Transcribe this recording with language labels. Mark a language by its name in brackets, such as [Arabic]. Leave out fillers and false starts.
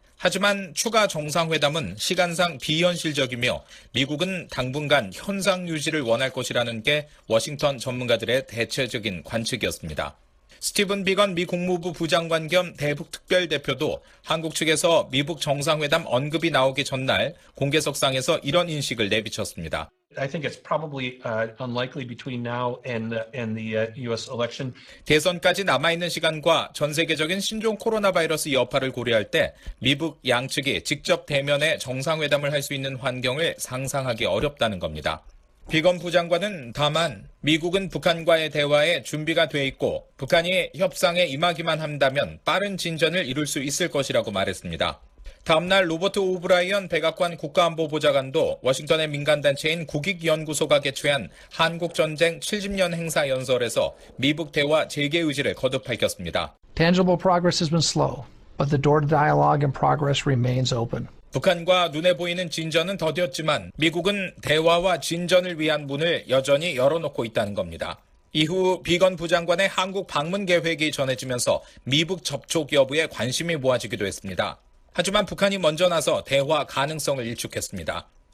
[Korean] 하지만 추가 정상회담은 시간상 비현실적이며 미국은 당분간 현상 유지를 원할 것이라는 게 워싱턴 전문가들의 대체적인 관측이었습니다. 스티븐 비건 미 국무부 부장관 겸 대북특별대표도 한국 측에서 미북 정상회담 언급이 나오기 전날 공개석상에서 이런 인식을 내비쳤습니다. [English] I think it's probably unlikely between now and the US election. [Korean] 대선까지 남아있는 시간과 전 세계적인 신종 코로나 바이러스 여파를 고려할 때 미북 양측이 직접 대면해 정상회담을 할 수 있는 환경을 상상하기 어렵다는 겁니다. 비건 부장관은 다만 미국은 북한과의 대화에 준비가 돼 있고 북한이 협상에 임하기만 한다면 빠른 진전을 이룰 수 있을 것이라고 말했습니다. 다음 날 로버트 오브라이언 백악관 국가안보보좌관도 워싱턴의 민간단체인 국익연구소가 개최한 한국전쟁 70년 행사 연설에서 미북 대화 재개 의지를 거듭 밝혔습니다. [English] Tangible progress has been slow. But the door to dialogue and progress remains open. [Korean] 북한과 눈에 보이는 진전은 더뎠지만 미국은 대화와 진전을 위한 문을 여전히 열어놓고 있다는 겁니다. 이후 비건 부장관의 한국 방문 계획이 전해지면서 미북 접촉 여부에 관심이 모아지기도 했습니다. 하지만 북한이 먼저 나서 대화 가능성을 일축했습니다.